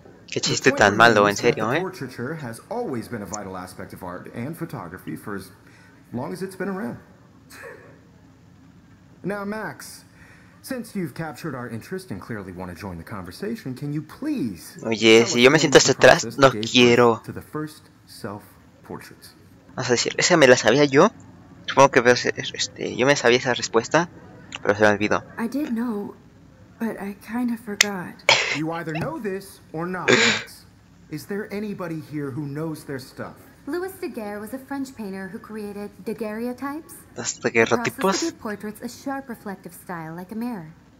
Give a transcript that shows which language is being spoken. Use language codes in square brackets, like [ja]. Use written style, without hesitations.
[es] Qué chiste tan malo, en serio, ¿eh? [en] Portraiture has always been a vital aspect of art and photography for as long as it's been around. Now, Max, since you've captured our interest and clearly want to join the conversation, can you please... [es] Oye, si yo me siento hasta atrás, no quiero... Vamos a decir, esa me la sabía yo. Supongo que yo me sabía esa respuesta, pero se me olvidó. [en] I did know, but I kind of forgot. You either know this or not. Is there anybody here who knows their stuff? Louis Daguerre was a French painter who created daguerreotypes. [es] Los daguerrotipos. [en] Portraits a sharp reflective style like a mirror.